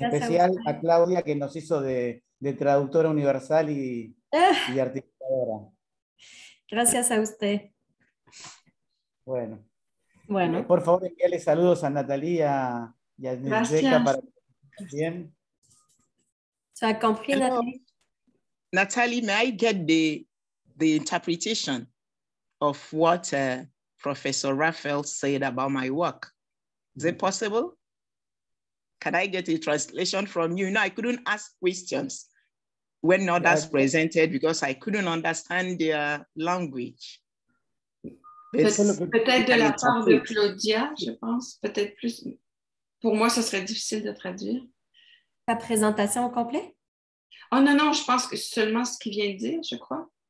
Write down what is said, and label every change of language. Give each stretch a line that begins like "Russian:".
Spanish: En especial a Claudia, que nos hizo de traductora universal y articuladora. Gracias a usted. Bueno. Por favor, envíale saludos a Natalia y a Nicheca para que también.
English: Natalie, may I get the interpretation of what Professor Raphael said about my work? Is it possible? Can I get a translation from you? No, I couldn't ask questions when others presented because I couldn't understand their language.
French: Peut-être de la part de Claudia, je pense. Peut-être plus. Pour moi, ce serait difficile de traduire. La présentation au complet? Oh non, je pense que seulement ce qu'il vient de dire, je crois.